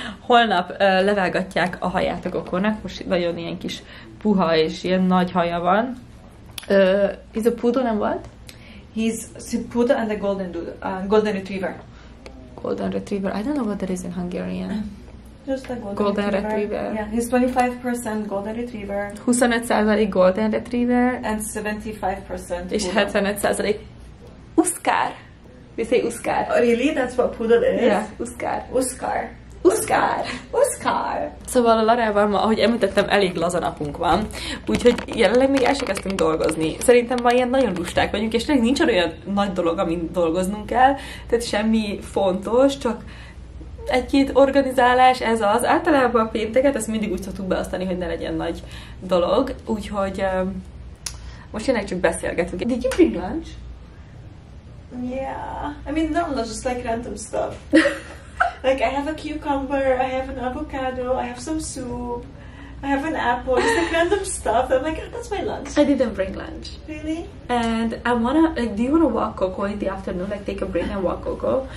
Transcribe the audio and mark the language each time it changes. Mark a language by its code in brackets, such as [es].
[hu] Holnap levágatják a haját a Coconak, most nagyon ilyen kis puha és ilyen nagy haja van. [en] He's a poodle and what? He's a poodle and a golden golden retriever. Golden retriever. I don't know what that is in Hungarian. Just a golden retriever. Yeah, he's 25% golden retriever. 25% golden retriever. And 75% poodle. [hu] És 75% Uskar. [en] We say Uskar. Oh, really? That's what poodle is? Yeah, Uskar. Uskar. [hu] Uszkár! Uszkár! Szóval a Larával ma, ahogy említettem, elég laza napunk van. Úgyhogy jelenleg még el sem kezdtünk dolgozni. Szerintem ma ilyen nagyon lusták vagyunk, és nincs olyan nagy dolog, amin dolgoznunk kell. Tehát semmi fontos, csak egy-két organizálás, ez az. Általában a pénteket, ezt mindig úgy szoktuk beosztani, hogy ne legyen nagy dolog. Úgyhogy most jelenleg csak beszélgetünk. [en] Did you bring lunch? Yeah. I mean, no, no, just like random stuff. Like, I have a cucumber, I have an avocado, I have some soup, I have an apple. Just like random stuff. I'm like, that's my lunch. I didn't bring lunch. Really? And I wanna, like, do you wanna walk Coco in the afternoon? Like, take a break and walk Coco?